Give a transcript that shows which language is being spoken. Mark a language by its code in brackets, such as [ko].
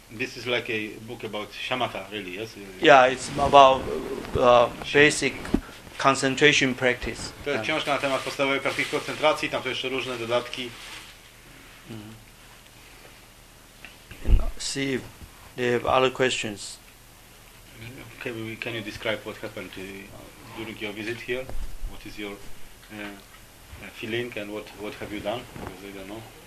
[en] this is like a book about shamatha, really, yes? Yeah, it's about basic concentration practice. [pl] To jest książka na temat podstawowej praktyki koncentracji, tam są jeszcze różne dodatki. [en] See if they have other questions. Can you describe what happened during your visit here? What is your feeling, and what have you done? Because I don't know.